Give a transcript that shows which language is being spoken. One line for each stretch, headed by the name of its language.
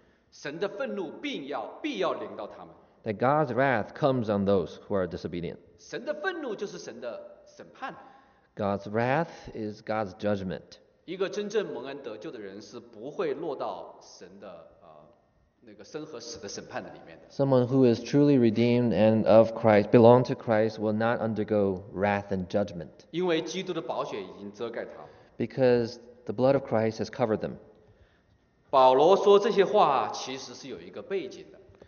Chinese: 神的愤怒必要临到他们，
English: that God's wrath comes on those who are disobedient.
Chinese: 神的愤怒就是神的审判，
English: God's wrath is God's judgment.
Chinese: 一个真正蒙恩得救的人是不会落到神的那个生和死的审判的里面的。
English: Someone who is truly redeemed and of Christ, belong to Christ, will not undergo wrath and judgment.
Chinese: 因为基督的宝血已经遮盖他。
English: Because the blood of Christ has covered them.
Chinese: 保罗说这些话其实是有一个背景的。